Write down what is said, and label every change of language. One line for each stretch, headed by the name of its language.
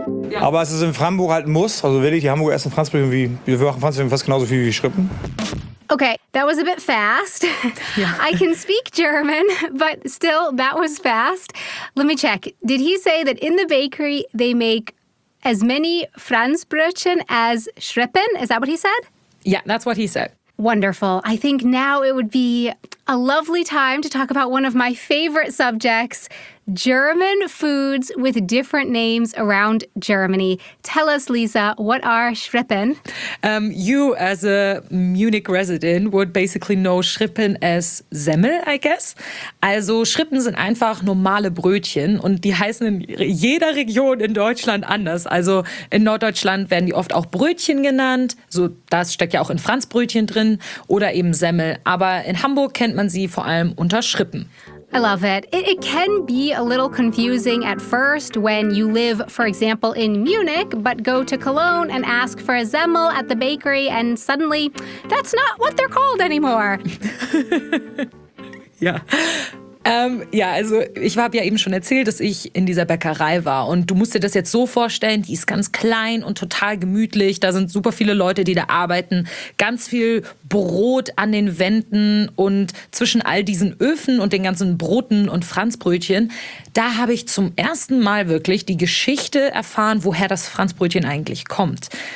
German: Ja. Aber es ist in Hamburg halt ein Muss. Also wirklich, die Hamburger essen Franzbrötchen wie, wir machen Franzbrötchen fast genauso viel wie Schrippen.
English: Okay, that was a bit fast. Yeah. I can speak German, but still, that was fast. Let me check. Did he say that in the bakery they make as many Franzbrötchen as Schrippen? Is that what he said? Yeah, that's what he said. Wonderful. I think now it would be a lovely time to talk about one of my favorite subjects, German foods with different names around Germany. Tell us, Lisa, what are Schrippen? You, as a Munich resident, would basically know Schrippen as Semmel, I guess.
German: Also Schrippen sind einfach normale Brötchen und die heißen in jeder Region in Deutschland anders. Also in Norddeutschland werden die oft auch Brötchen genannt. So, das steckt ja auch in Franzbrötchen drin oder eben Semmel. Aber in Hamburg kennt man sie vor allem unter Schrippen.
English: I love it. It can be a little confusing at first when you live, for example, in Munich, but go to Cologne and ask for a Semmel at the bakery and suddenly that's not what they're called anymore. Yeah.
German: Ja, also ich habe ja eben schon erzählt, dass ich in dieser Bäckerei war und du musst dir das jetzt so vorstellen, die ist ganz klein und total gemütlich, da sind super viele Leute, die da arbeiten, ganz viel Brot an den Wänden und zwischen all diesen Öfen und den ganzen Broten und Franzbrötchen, da habe ich zum ersten Mal wirklich die Geschichte erfahren, woher das Franzbrötchen eigentlich kommt.